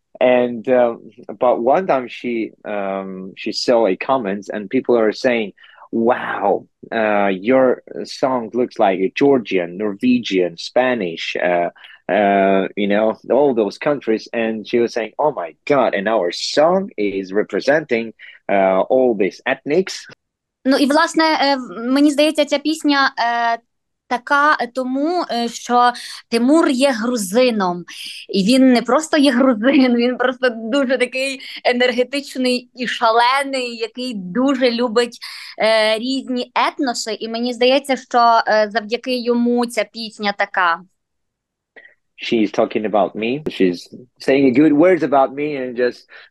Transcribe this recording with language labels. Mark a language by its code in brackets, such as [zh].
[en] And but one time she saw a comment and people are saying, wow, your song looks like Georgian, Norwegian, Spanish, you know, all those countries. And she was saying, oh my God, and our song is representing all these ethnics. [uk] Ну і, власне, мені здається, ця пісня така тому, що Тимур є грузином. І він не просто є грузин, він просто дуже такий енергетичний і шалений, який дуже любить різні етноси. І мені здається, що завдяки йому ця пісня така. [en] She's talking about me. She's saying good words about me and just...